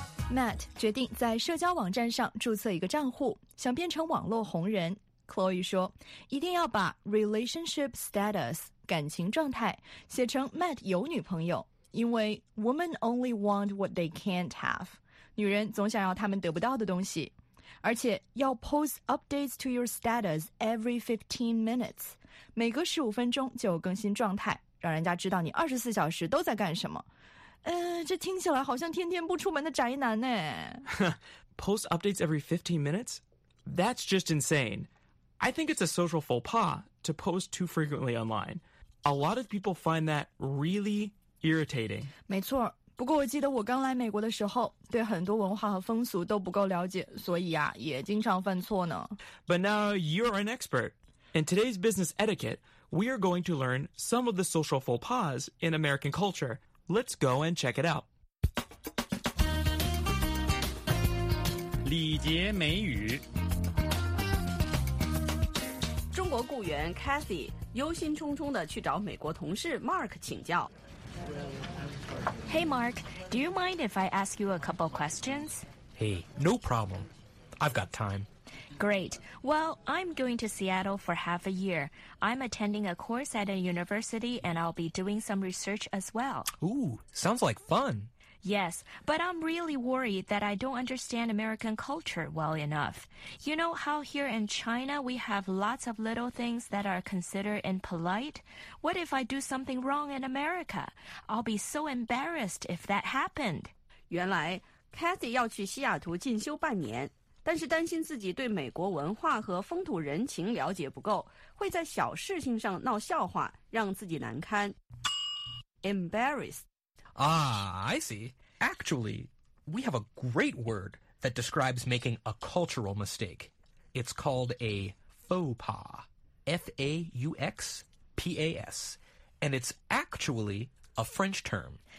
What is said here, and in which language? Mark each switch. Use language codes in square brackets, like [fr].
[zh] Matt 决定在社交网站上注册一个账户，想变成网络红人。 Chloe 说，一定要把 relationship status 感情状态写成 Matt 有女朋友。因为 [en] women only want what they can't have. [zh] 女人总想要她们得不到的东西。而且要 [en] post updates to your status every 15 minutes. [zh] 每隔15分钟就更新状态，让人家知道你24小时都在干什么。这听起来好像天天不出门的宅男呢。 [en] Post updates every 15 minutes? That's just insane. I think it's a social faux pas to post too frequently online. A lot of people find that really... irritating. [zh] 没错，不过我记得我刚来美国的时候，对很多文化和风俗都不够了解，所以啊，也经常犯错呢。 [en] But now you're an expert. In today's business etiquette, we are going to learn some of the social faux pas in American culture. Let's go and check it out. [zh] 礼节美语。中国雇员 Cathy 忧心忡忡地去找美国同事 Mark 请教。 [en] Hey, Mark, do you mind if I ask you a couple questions? Hey, no problem. I've got time. Great. Well, I'm going to Seattle for half a year. I'm attending a course at a university, and I'll be doing some research as well. Ooh, sounds like fun. Yes, but I'm really worried that I don't understand American culture well enough. You know how here in China we have lots of little things that are considered impolite? What if I do something wrong in America? I'll be so embarrassed if that happened. [zh] 原来 Cathy 要去西雅图进修半年，但是担心自己对美国文化和风土人情了解不够，会在小事情上闹笑话，让自己难堪。 [en] Embarrassed. Ah, I see. Actually, we have a great word that describes making a cultural mistake. It's called a faux pas. F-A-U-X-P-A-S. And it's actually a French term.